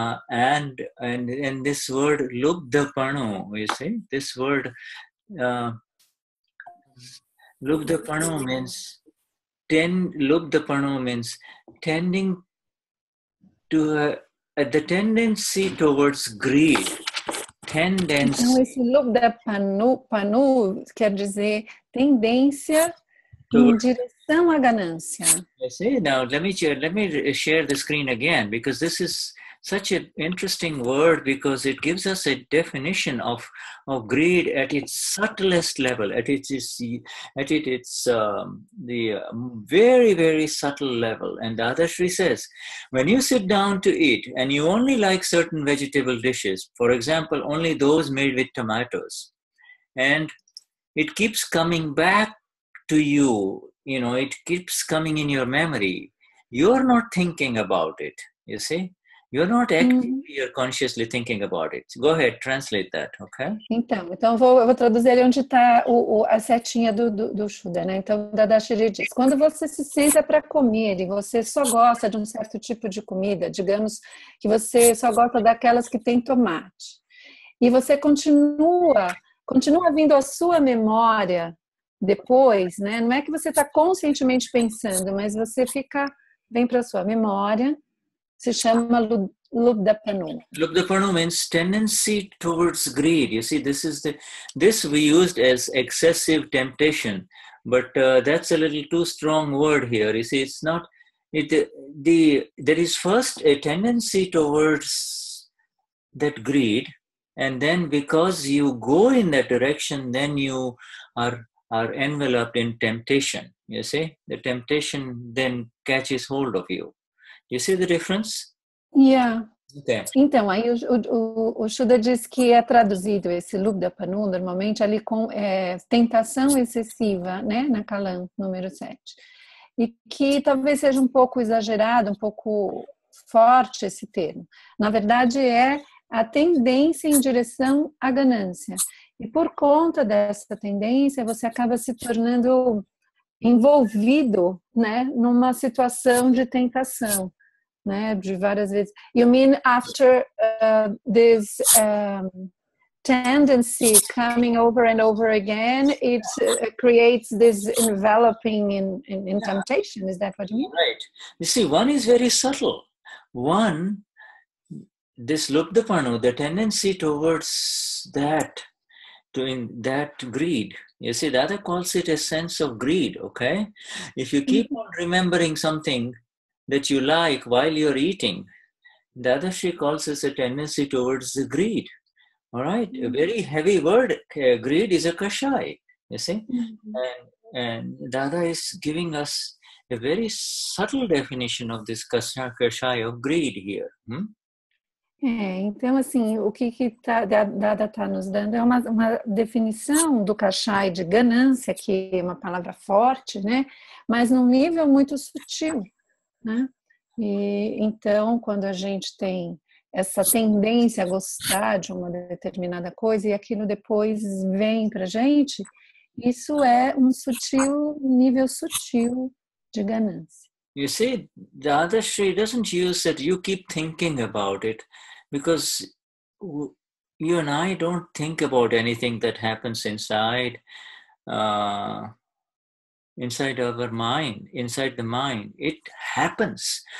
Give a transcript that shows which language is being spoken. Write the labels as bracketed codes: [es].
[en] And this word lubdhapanoo, you see, this word lubdhapanoo means tending to the tendency towards greed. Tendency. [pt] Então, esse lubdhapanoo quer dizer tendência em direção à ganância. [en] See, now let me share the screen again, because this is such an interesting word, because it gives us a definition of greed at its subtlest level, very, very subtle level. And Dadashri says, when you sit down to eat and you only like certain vegetable dishes, for example, only those made with tomatoes, and it keeps coming back to you, you know, it keeps coming in your memory, you're not thinking about it, you see? You're not actively, you're consciously thinking about it. Go ahead, translate that, okay? [pt] Então eu vou traduzir ali onde está a setinha do Shuddha, né? Então, Dadashri diz, quando você se senta para comer e você só gosta de um certo tipo de comida, digamos que você só gosta daquelas que tem tomate, e você continua vindo à sua memória depois, né? Não é que você está conscientemente pensando, mas você fica, vem para a sua memória, se chama lubdhapanoo. [en] Lubdhapanoo means tendency towards greed. You see, this we used as excessive temptation, but that's a little too strong word here. You see, it's not. There is first a tendency towards that greed, and then because you go in that direction, then you are are enveloped in temptation. You see, the temptation then catches hold of you. You see the difference? Yeah. Okay. [pt] Então, aí o Shuddha diz que é traduzido esse lubdhapanoo normalmente ali com é, tentação excessiva, né, na Kalam, número 7. E que talvez seja um pouco exagerado, um pouco forte esse termo. Na verdade, é a tendência em direção à ganância. E por conta dessa tendência, você acaba se tornando envolvido, né, numa situação de tentação. Né, de várias vezes. [en] You mean after this tendency coming over and over again, it creates this enveloping in temptation? Is that what you mean? Right. You see, one is very subtle. One, this lubdhapanoo, the tendency towards that, doing that greed. You see, the other calls it a sense of greed, okay? If you keep on remembering something that you like while you're eating, Dadashri calls this a tendency towards the greed. All right, mm-hmm. A very heavy word, greed is a kashai, you see? Mm-hmm. And Dada is giving us a very subtle definition of this kashai of greed here. [pt] É, então assim, o que, que tá, Dada está nos dando é uma definição do kashai de ganância, que é uma palavra forte, né? Mas num nível muito sutil. Né? E então, quando a gente tem essa tendência a gostar de uma determinada coisa e aquilo depois vem pra gente, isso é um sutil, nível sutil de ganância. [en] You see, the other Shri doesn't use that you keep thinking about it, because you and I don't think about anything that happens inside. Inside our mind, inside the mind, it happens.